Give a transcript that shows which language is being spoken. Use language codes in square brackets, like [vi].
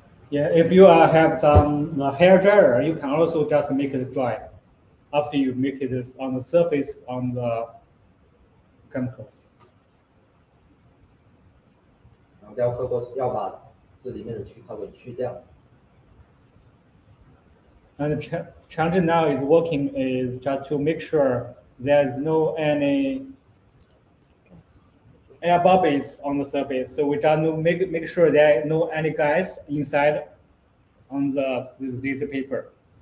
[en] Yeah, if you have some hair dryer, you can also just make it dry after you make it on the surface on the chemicals. [zh] 要把这里面的去泡给去掉. [en] And Changzhi now is working is just to make sure there's no any air bubbles on the surface. So we just make sure there are no any gas inside on the this paper.